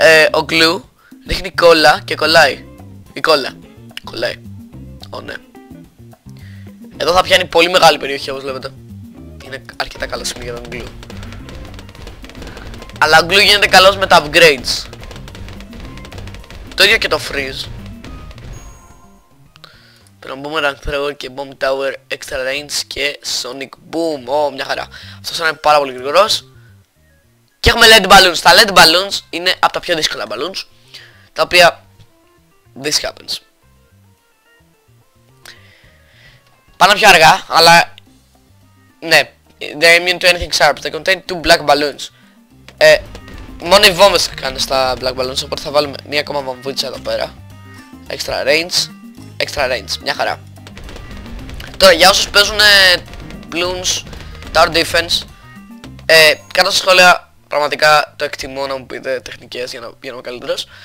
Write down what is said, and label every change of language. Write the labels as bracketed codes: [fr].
[el] Ο glue ρίχνει κόλλα και κολλάει. Η κόλλα. Κολλάει. Oh, ναι. Εδώ θα πιάνει πολύ μεγάλη περιοχή όπως βλέπετε. Είναι αρκετά καλό σημείο για τον glue. Αλλά ο glue γίνεται καλός με τα upgrades. Το ίδιο και το freeze. Πρέπει να μπούμε rank thrower και bomb tower, extra range και sonic boom. Ω, μια χαρά. Αυτός είναι πάρα πολύ γρήγορος. Και έχουμε led balloons. Τα led balloons είναι από τα πιο δύσκολα balloons. Τα οποία... [en] This happens. [el] Πάνω πιο αργά, αλλά... Ναι. [en] They're immune to anything sharp. They contain two black balloons. [el] Μόνο οι βόμβες κάνουν στα black balloons, οπότε θα βάλουμε μία ακόμα βομβούτσα εδώ πέρα. Extra range. Extra range, μια χαρά. Τώρα για όσους παίζουν balloons, tower defense, κάτω στα σχόλια πραγματικά το εκτιμώ να μου πείτε τεχνικές για να γίνω καλύτερος.